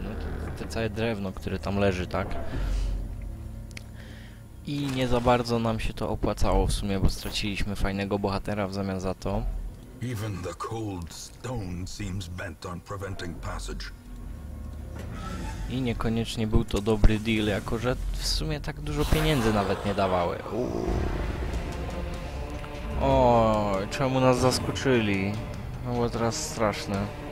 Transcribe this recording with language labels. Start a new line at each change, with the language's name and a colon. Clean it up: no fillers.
Polish: No, te całe drewno, które tam leży, tak? I nie za bardzo nam się to opłacało w sumie, bo straciliśmy fajnego bohatera w zamian za to.
English: Even the cold stone seems bent on preventing passage.
Polish: I niekoniecznie był to dobry deal, jako że w sumie tak dużo pieniędzy nawet nie dawały. O, czemu nas zaskoczyli? No bo teraz straszne.